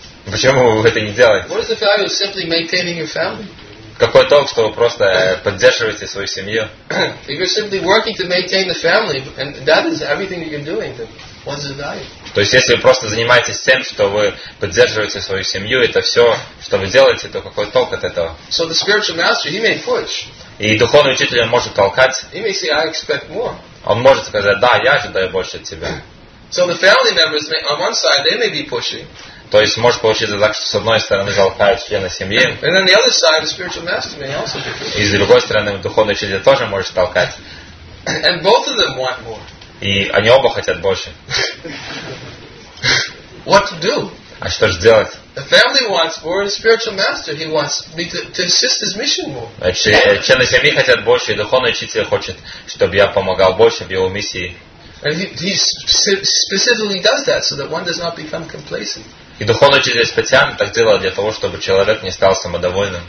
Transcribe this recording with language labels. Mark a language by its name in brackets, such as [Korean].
[Russian] Почему вы это не делаете? Какой толк, что вы просто поддерживаете свою семью? [English] If you're simply working to maintain the family, and that is everything you're doing, then what's the value? [Russian] То есть, если вы просто занимаетесь тем, что вы поддерживаете свою семью, это все, что вы делаете, то какой толк от этого? [English] So the spiritual master, he may push. [Russian] И духовный учитель может толкать. [English] He may say, I expect more. [Russian] Он может сказать, да, я ожидаю больше от тебя. [English] So the family members may, on one side, they may be pushing. [Russian] То есть может получиться так, что с одной стороны толкают члены семьи, и с другой стороны духовный учитель тоже может толкать. И они оба хотят больше. [English] What to do? [Russian] А что же делать? [English] The family wants more, the spiritual master he wants me to assist his mission more. [Russian] Члены семьи хотят больше, и духовный учитель хочет, чтобы я помогал больше в его миссии. [English] And he specifically does that so that one does not become complacent. [Russian] И духовный учитель специально так делал для того, чтобы человек не стал самодовольным.